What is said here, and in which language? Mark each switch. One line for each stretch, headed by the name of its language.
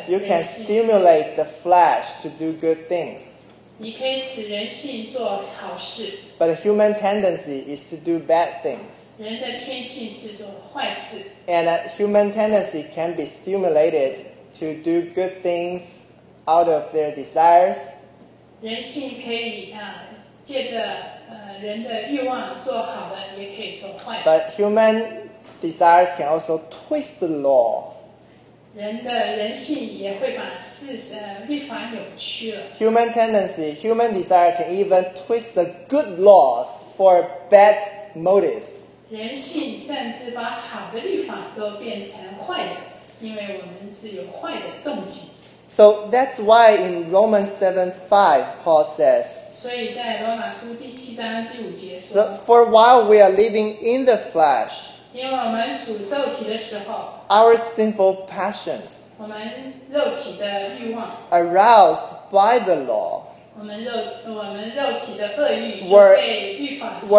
English: You can stimulate the flesh to do good things.
Chinese: 你可以使人性做好事。
English: But the human tendency is to do bad things.
Chinese: 人的天性是做坏事。
English: And a human tendency can be stimulated to do good things out of their desires.
Chinese: 人性可以借着人的欲望做好的，也可以做坏的。
English: But human desires can also twist the law.
Chinese: 人的人性也会把律法扭曲了。
English: Human tendency, human desire can even twist the good laws for bad motives.
Chinese: 人性甚至把好的律法都变成坏的，因为我们是有坏的动机。
English: So that's why in Romans 7:5, Paul says,
Chinese: 所以在罗马书第七章第五节说，
English: so, for while we are living in the flesh,
Chinese: 因为我们属肉体的时候，
English: our sinful passions,
Chinese: 我们肉体的欲望，
English: aroused by the law,
Chinese: 我们肉体的恶欲被律法激动，